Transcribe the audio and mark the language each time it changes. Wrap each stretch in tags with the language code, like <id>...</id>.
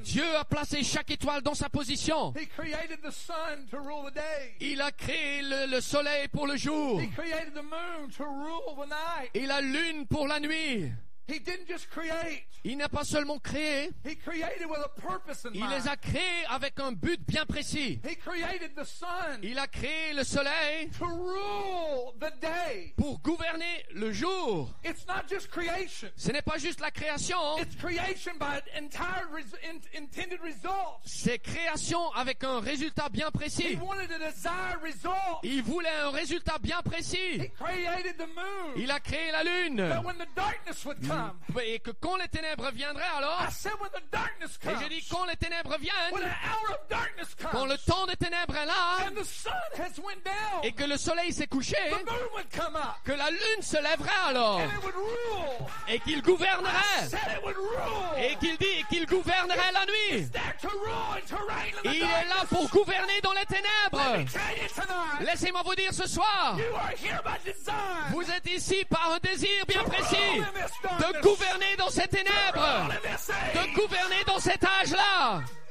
<fr>Dieu a placé chaque étoile dans sa position.</fr> <en>He created the sun to rule the day.</en> <fr>Il a créé le soleil pour le jour.</fr> <en>He created the moon to rule the night.</en> <fr>Et la lune pour la nuit.</fr> <en>He didn't just create.</en> <fr>Il n'a pas seulement créé.</fr> <en>He created with a purpose in</en> <fr>mind. Il les a créés avec un but bien précis.</fr> <en>He created the sun.</en> <fr>Il a créé le soleil.</fr> <en>To rule the day.</en> <fr>Pour gouverner le jour.</fr> <en>It's not just creation.</en> <fr>Ce n'est pas juste la création.</fr> <en>It's creation by entire intended results.</en> <fr>C'est création avec un résultat bien précis.</fr> <en>He wanted a desired result.</en> <fr>Il voulait un résultat bien précis.</fr> <en>He created the moon.</en> <fr>Il a créé la lune.</fr> <en>But when the darkness would come.</en> <fr>Et que quand les ténèbres viendraient alors,</fr> <en>I said when the darkness comes,</en> <fr>et j'ai dit quand les ténèbres viennent,</fr> <en>when the hour of darkness comes,</en> <fr>quand le temps des ténèbres est là,</fr> <en>and the sun has went down,</en> <fr>et que le soleil s'est couché,</fr> <en>the moon would come up,</en> <fr>que la lune se lèverait alors,</fr> <en>and it would rule,</en> <fr>et qu'il gouvernerait,</fr> <en>I said it would rule,</en> <fr>et qu'il dit qu'il gouvernerait la nuit.</fr> <en>It's there to rule and to reign in the</en> <fr>il est là pour gouverner dans les ténèbres. Laissez-moi vous dire ce soir,</fr> <en>you are here by design,</en> <fr>vous êtes ici par un désir bien précis de gouverner dans ces ténèbres, de gouverner dans cet âge-là.</fr>